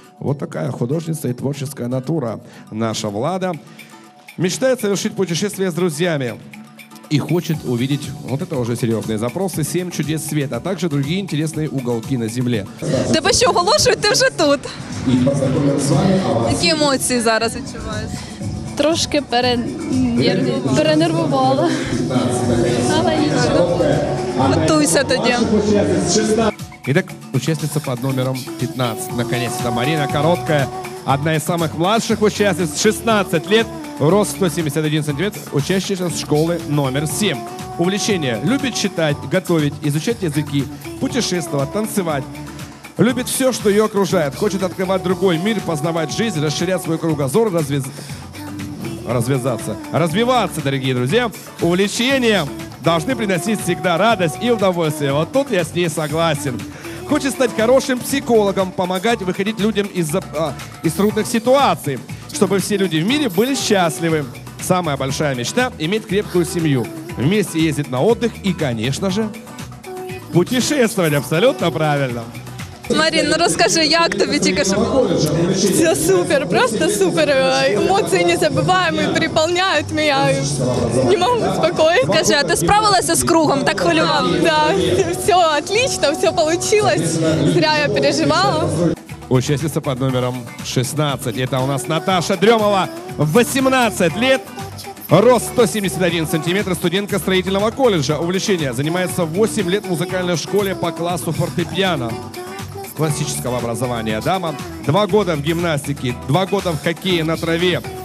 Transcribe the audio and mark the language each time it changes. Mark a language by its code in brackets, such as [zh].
[ru] Вот такая художница и творческая натура наша Влада. Мечтает совершить путешествие с друзьями и хочет увидеть, вот это уже серьезные запросы, 7 чудес света, а также другие интересные уголки на земле. Да почему оголошивают, ты уже тут. Какие эмоции [uk] зараз відчуваєш? Трошки перенервувала. Але нічого. Готуйся тоді. [ru] Итак, учасниця под номером 15. Наконец-то Марина Короткая. Одна из самых младших учасниц. 16 лет. Рост 171 сантиметр. Учащаяся школы номер 7. Увлечение. Любит читать, готовить, изучать языки, путешествовать, танцевать. Любит все, что ее окружает. Хочет открывать другой мир, познавать жизнь, расширять свой кругозор, развиваться, дорогие друзья. Увлечения должны приносить всегда радость и удовольствие. Вот тут я с ней согласен. Хочет стать хорошим психологом, помогать выходить людям из трудных ситуаций, чтобы все люди в мире были счастливы. Самая большая мечта – иметь крепкую семью. Вместе ездить на отдых и, конечно же, путешествовать. Абсолютно правильно. [uk] Марин, ну розкажи, як тобі тільки що було? Все супер, просто супер. Емоції не забуваємо і переповняють мене. Я не можу спокійно. Скажи, а ти справилася з кругом? Так хвилював? [ru] Да, все отлично, [uk] все вийшло. [ru] Зря я переживала. [uk] Учасниця під номером 16. Це у нас Наташа Дрьомова. [ru] 18 лет. Рост 171 сантиметр, студентка строительного колледжа. Увлечение. Занимается 8 лет в музыкальной школе по классу фортепиано. Классического образования дама. 2 года в гимнастике, 2 года в хоккее на траве.